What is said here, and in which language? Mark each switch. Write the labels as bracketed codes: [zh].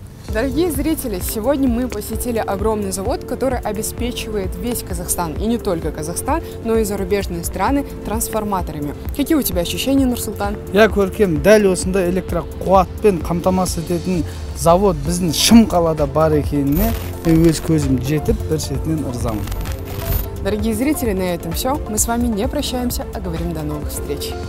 [ru] Дорогие зрители, сегодня мы посетили огромный завод, который обеспечивает весь Казахстан, и не только Казахстан, но и зарубежные страны трансформаторами. Какие у тебя ощущения, Нурсултан? [kk] Я көркем, дәл осында электрокуатпен қамтамасыз ететін завод біздің Шымқалада бар екеніне өз көзім жетіп, бір сетінен ырзамын. [ru] Дорогие зрители, на этом все. Мы с вами не прощаемся, а говорим до новых встреч.